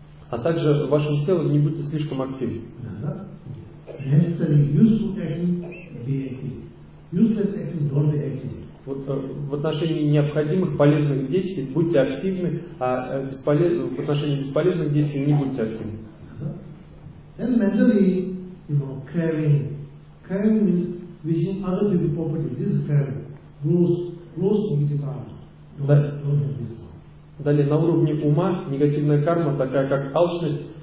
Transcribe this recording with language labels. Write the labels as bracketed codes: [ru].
[ru] А также в вашем теле не будьте слишком активны. [en] Necessary useful action be active. Useless action don't be active. [ru] В отношении необходимых полезных действий будьте активны, а в отношении бесполезных действий не будьте активны. [en] Then mentally, you know, caring means wishing other people property. This is caring. Close to negative karma. [ru] Далее, на уровне ума негативная карма такая как алчность.